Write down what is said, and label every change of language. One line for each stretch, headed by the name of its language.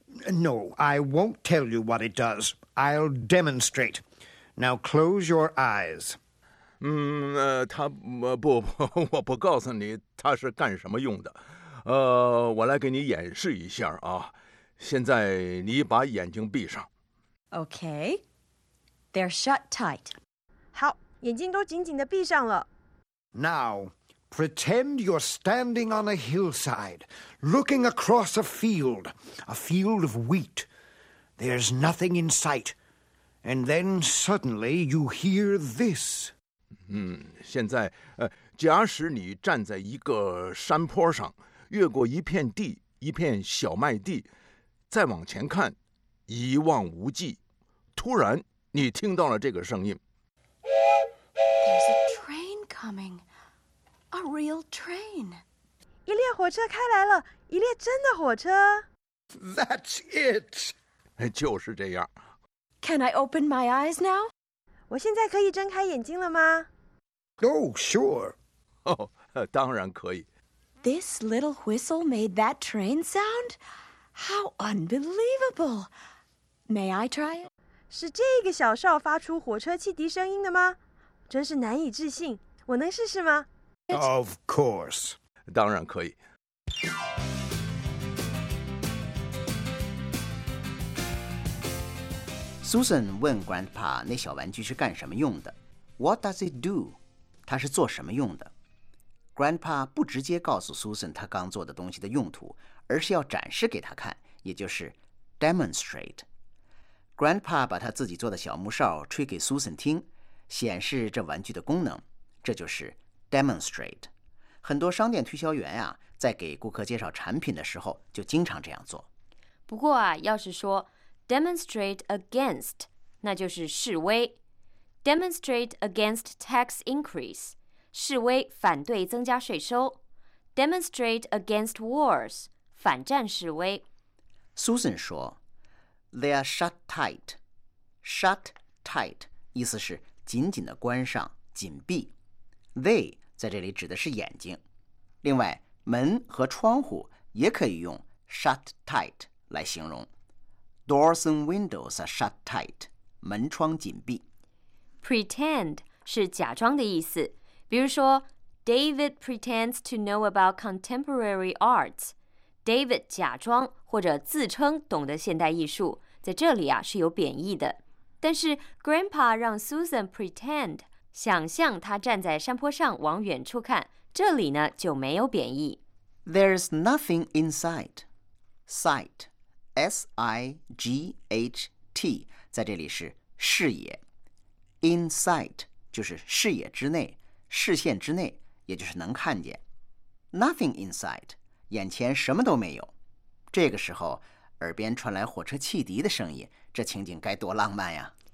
English: No, I won't tell you what it does. I'll demonstrate. Now close your eyes.
Chinese: 我不告诉你它是干什么用的。我来给你演示一下啊，现在你把眼睛闭上。
English: Okay, they're shut tight.
Chinese: 好，眼睛都紧紧地闭上了。
English: Now, pretend you're standing on a hillside, looking across a field of wheat. There's nothing in sight. And then suddenly you hear this.
Chinese: 现在，假使你站在一个山坡上，越过一片地，一片小麦地，再往前看，一望无际。突然，你听到了这个声音。
English: There's a train coming, a real train.
Chinese: 一列火车开来了，一列真的火车。
English: That's it.
Chinese: 就是这样。
English: Can I open my eyes now?
Chinese: 我现在可以睁开眼睛了吗？
English: Oh, sure.
Chinese: Oh, 当然可以。
English: This little whistle made that train sound? How unbelievable! May I try it?
Chinese: 是这个小哨发出火车汽笛声音的吗？真是难以置信，我能试试吗？
English: Of course.
Chinese: 当然可以。 Susan 问 Grandpa 那小玩具是干什么用的 ？
English: What does it do？
Chinese: 它是做什么用的 ？Grandpa 不直接告诉 Susan 他刚做的东西的用途，而是要展示给他看，也就是 demonstrate。 Grandpa 把他自己做的小木哨吹给 Susan 听，显示这玩具的功能，这就是 demonstrate。很多商店推销员啊，在给顾客介绍产品的时候，就经常这样做。不过啊，要是说
English: Demonstrate against,
Chinese: 那就是示威。
English: Demonstrate against tax increase,
Chinese: 示威反对增加税收。
English: Demonstrate against wars,
Chinese: 反战示威。 Susan 说 ,
English: They are shut tight.
Chinese: Shut tight, 意思是紧紧的关上紧闭。 They 在这里指的是眼睛。另外门和窗户也可以用 shut tight 来形容。
English: Doors and windows are shut tight.
Chinese: 门窗紧闭。 Pretend 是假装的意思。比如说
English: ,David pretends to know about contemporary arts.
Chinese: David 假装或者自称懂得现代艺术。在这里啊是有贬义的。但是 Grandpa 让 Susan pretend, 想象他站在山坡上往远处看。这里呢就没有贬义。
English: There's nothing in sight. Sight.
Chinese: S-I-G-H-T 在这里是视野 In sight 就是视野之内视线之内也就是能看见
English: Nothing in sight
Chinese: 眼前什么都没有这个时候耳边传来火车汽笛的声音这情景该多浪漫呀